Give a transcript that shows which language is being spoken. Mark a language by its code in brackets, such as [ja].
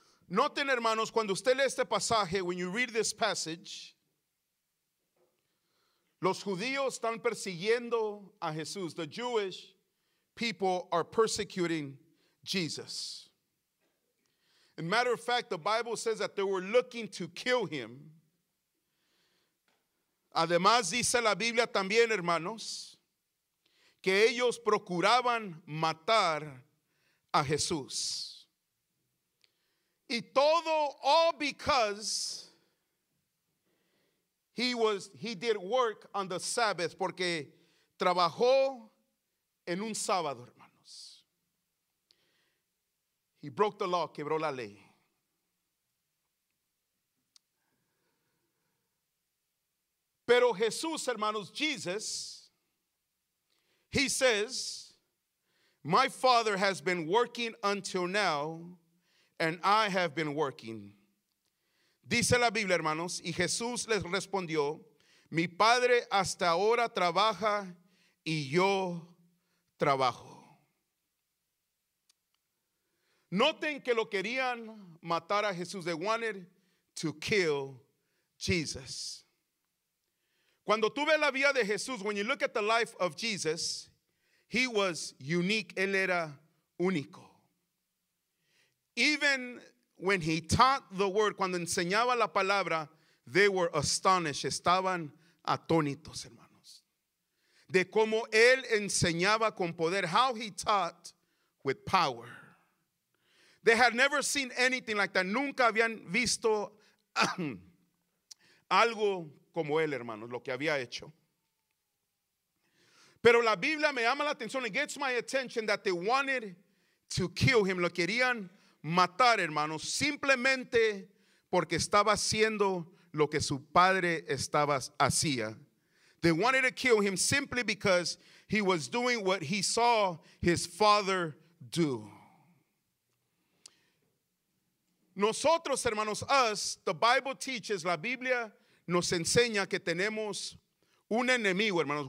[es] Noten, hermanos, cuando usted lee este pasaje, [en] when you read this passage, [es] los judíos están persiguiendo a Jesús. [en] The Jewish people are persecuting Jesus. As a matter of fact, the Bible says that they were looking to kill him. [es] Además, dice la Biblia también, hermanos, que ellos procuraban matar a Jesús. Y todo, [en] all because he did work on the Sabbath, [es] porque trabajó en un sábado, hermanos. [en] He broke the law, [es] quebró la ley. Pero Jesús, hermanos, [en] Jesus, he says, my Father has been working until now, and I have been working. [es] Dice la Biblia, hermanos, y Jesús les respondió, mi Padre hasta ahora trabaja y yo trabajo. Noten que lo querían matar a Jesús. [en] They wanted to kill Jesus. [es] Cuando tú ves la vida de Jesús, [en] when you look at the life of Jesus, he was unique. [es] Él era único. [en] Even when he taught the word, [es] cuando enseñaba la palabra, [en] they were astonished. [es] Estaban atónitos, hermanos, de cómo él enseñaba con poder. [en] How he taught with power. They had never seen anything like that. [es] Nunca habían visto algo como él, hermanos, lo que había hecho. Pero la Biblia me llama la atención. [en] It gets my attention that they wanted to kill him. [es] Lo querían matar, hermanos, simplemente porque estaba haciendo lo que su padre estaba hacía. [en] They wanted to kill him simply because he was doing what he saw his father do. [es] Nosotros, hermanos, [en] us, the Bible teaches, [es] la Biblia nos enseña que tenemos un enemigo, hermanos.